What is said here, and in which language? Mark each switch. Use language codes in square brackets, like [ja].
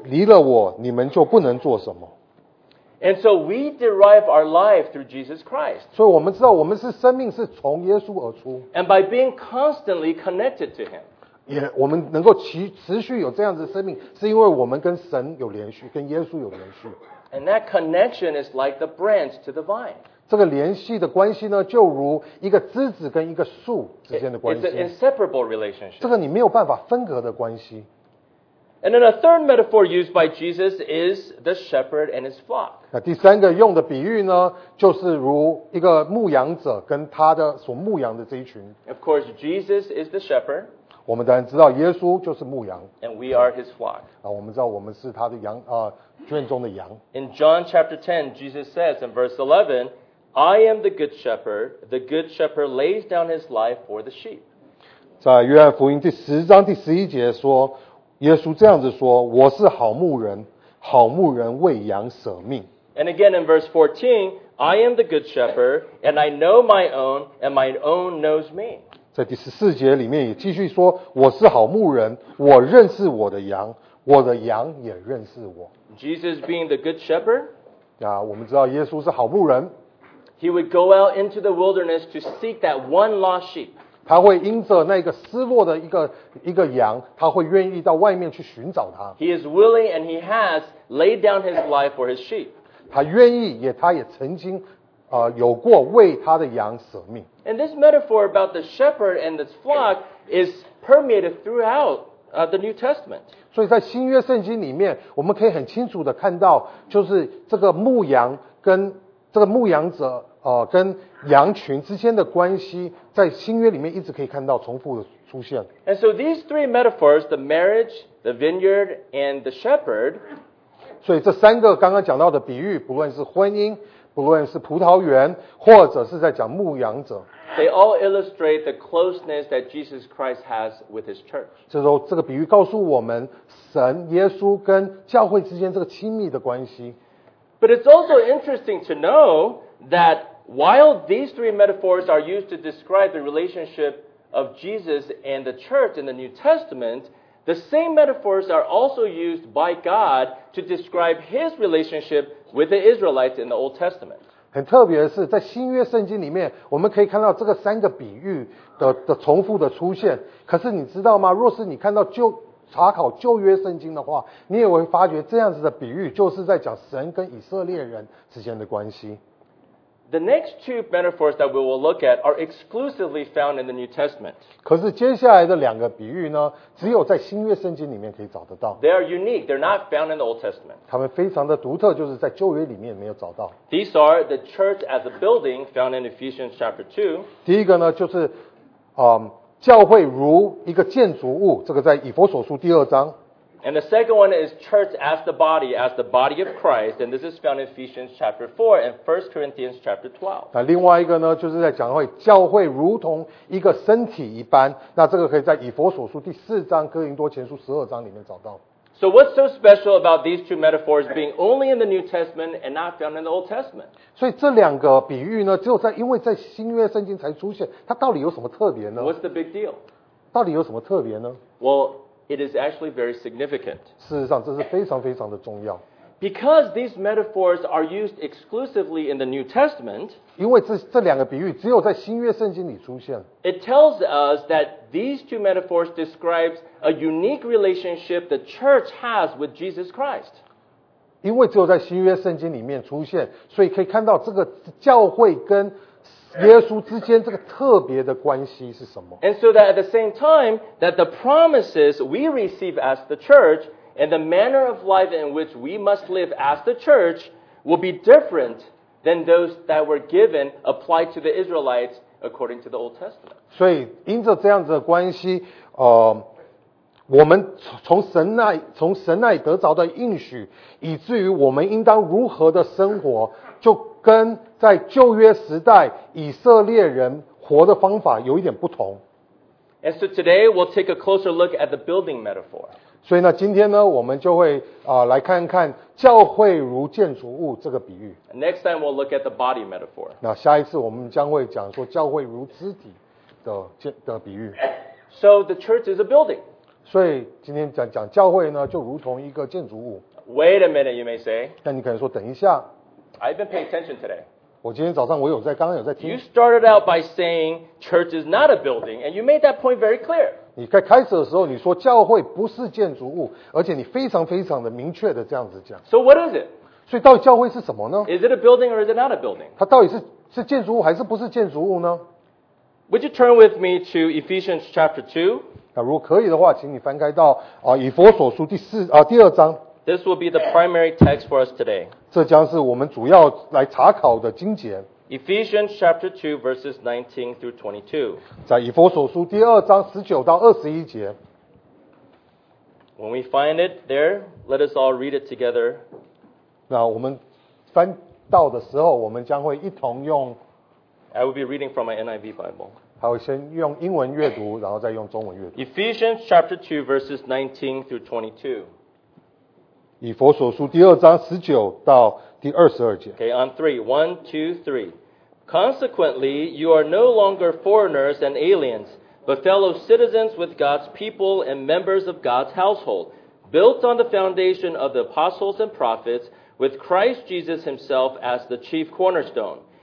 [zh] 在约翰福音第15章第5节这样子说,我是葡萄树,你们是枝子,藏在我里面的,我也藏在他里面,这人就多结果子。人若,因为离了我,你们就不能做什么。 [en] And so we derive our life through Jesus Christ. [zh] 所以我们知道我们是生命是从耶稣而出。 [en] And by being constantly connected to him. [zh] 我们能够持续有这样子的生命, 是因为我们跟神有连续, 跟耶稣有连续。 [en] And that connection is like the branch to the vine. [zh] 这个联系的关系呢, 就如一个枝子跟一个树之间的关系。 [en] It's an inseparable relationship. [zh] 这个你没有办法分隔的关系。 [en] And then a third metaphor used by Jesus is the shepherd and his flock. [zh] 那第三个用的比喻呢, 就是如一个牧羊者跟他的所牧羊的这一群。 [en] Of course, Jesus is the shepherd. [zh] 我们当然知道耶稣就是牧羊。 [en] And we are his flock. [zh] 我们知道我们是他的羊, 圈中的羊。 [en] In John chapter 10, Jesus says in verse 11, I am the good shepherd. The good shepherd lays down his life for the sheep. [zh] 在约翰福音第10章第11节说,耶稣这样子说，我是好牧人，好牧人为羊舍命。 [en] And again in verse 14, I am the good shepherd, and I know my own, and my own knows me. [zh] 在第十四节里面也继续说，我是好牧人，我认识我的羊，我的羊也认识我。 [en] Jesus being the good shepherd. [zh] 啊，我们知道耶稣是好牧人。 [en] He would go out into the wilderness to seek that one lost sheep. [zh] 他会因着那个失落的一个羊，他会愿意到外面去寻找他。 [en] He is willing and he has laid down his life for his sheep. [zh] 他愿意，也他也曾经，有过为他的羊舍命。 [en] And this metaphor about the shepherd and this flock is permeated throughout the New Testament. [zh] 所以在新约圣经里面，我们可以很清楚的看到，就是这个牧羊跟这个牧羊者跟羊群之间的关系，在新约里面一直可以看到重复的出现。 [en] And so these three metaphors, the marriage, the vineyard, and the shepherd. [zh] 所以这三个刚刚讲到的比喻，不论是婚姻，不论是葡萄园，或者是在讲牧羊者。 [en] They all illustrate the closeness that Jesus Christ has with his church. [zh] 这个比喻告诉我们，神耶稣跟教会之间这个亲密的关系。 [en] But it's also interesting to know that while these three metaphors are used to describe the relationship of Jesus and the church in the New Testament, the same metaphors are also used by God to describe his relationship with the Israelites in the Old Testament. [zh] 很特别的是，在新约圣经里面，我们可以看到这个三个比喻的重复的出现。可是你知道吗？若是你看到旧查考旧约圣经的话，你也会发觉这样子的比喻就是在讲神跟以色列人之间的关系。 [en] The next two metaphors that we will look at are exclusively found in the New Testament. [zh] 可是接下来的两个比喻呢，只有在新约圣经里面可以找得到。 [en] They are unique. They're not found in the Old Testament. [zh] 他们非常的独特，就是在旧约里面没有找到。 [en] These are the church as a building found in Ephesians chapter 2. [zh] 第一个呢，就是教会如一个建筑物，这个在以弗所书第二章。 [en] And the second one is church as the body of Christ, and this is found in Ephesians chapter 4 and 1 Corinthians chapter 12. [zh] 那另外一个呢，就是在讲会教会如同一个身体一般，那这个可以在以弗所书第四章、哥林多前书十二章里面找到。 [en] So what's so special about these two metaphors being only in the New Testament and not found in the Old Testament? [zh] 所以这两个比喻呢，只有在因为在新约圣经才出现，它到底有什么特别呢？ [en] What's the big deal? [zh] 到底有什么特别呢？ [en] Well, it is actually very significant. [zh] 事实上，这是非常非常的重要。 [en] Because these metaphors are used exclusively in the New Testament, [zh] 因为这两个比喻只有在新约圣经里出现。 [en] It tells us that these two metaphors describe a unique relationship the church has with Jesus Christ. [zh] 因为只有在新约圣经里面出现，所以可以看到这个教会跟耶稣之间这个特别的关系是什么。 [en] And so that at the same time, that the promises we receive as the church and the manner of life in which we must live as the church will be different than those that were given, applied to the Israelites according to the Old Testament. [zh] 所以因着这样子的关系，我们从神那里得着的应许，以至于我们应当如何的生活，就跟在旧约时代以色列人活的方法有一点不同。 [en] And so today we'll take a closer look at the building metaphor. [zh] 所以呢，今天呢，我们就会来看看教会如建筑物这个比喻。 [en] Next time we'll look at the body metaphor. [zh] 那下一次我们将会讲说教会如肢体的比喻。 [en] So the church is a building. [zh] 所以今天讲教会呢，就如同一个建筑物。 [en] Wait a minute, you may say. [zh] 但你可能说等一下。 [en] I've been paying attention today. [zh] 我今天早上我有在，刚刚有在听。 [en] You started out by saying church is not a building, and you made that point very clear. [zh] 你在开始的时候你说教会不是建筑物，而且你非常非常的明确的这样子讲。 [en] So what is it? [zh] 所以到底教会是什么呢？ [en] Is it a building or is it not a building? [zh] 它到底是建筑物还是不是建筑物呢？ [en] Would you turn with me to Ephesians chapter 2? [zh] 那如果可以的话，请你翻开到以弗所书第二章。 [en] This will be the primary text for us today. [zh] 这将是我们主要来查考的经节。 [en] Ephesians chapter 2 verses 19 through 22. [zh] 在以弗所书第二章19到21节。 [en] When we find it there, let us all read it together. [zh] 那我们翻到的时候，我们将会一同用。 [en] I will be reading from my NIV Bible. [zh] 他会先用英文阅读, [en] Ephesians chapter 2, verses 19 through 22. [zh] 以弗所书第二章19到第22节. [en] Okay, on three. 1, 2, 3. Consequently, you are no longer foreigners and aliens, but fellow citizens with God's people and members of God's household, built on the foundation of the apostles and prophets, with Christ Jesus himself as the chief cornerstone.